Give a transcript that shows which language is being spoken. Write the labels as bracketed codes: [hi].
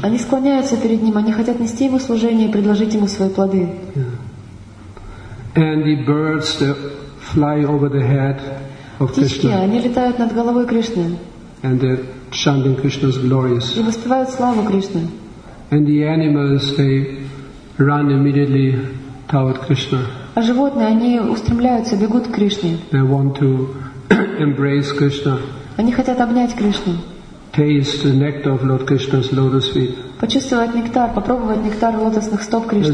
[ru] Они склоняются перед ним. Они хотят нести ему служение и предложить ему свои плоды. [en] And the birds that fly over the head of Krishna. [ru] Птички, они летают над головой Кришны. [en] And they're chanting Krishna's glories. [ru] И воспевают славу Кришны. [en] And the animals, they run immediately toward Krishna. [ru] А животные, они устремляются, бегут к Кришне. [en] They want to embrace Krishna. [ru] Они хотят обнять Кришну. [en] Taste the nectar of Lord Krishna's lotus feet. [ru] Почувствовать нектар, попробовать нектар лотосных стоп Кришны.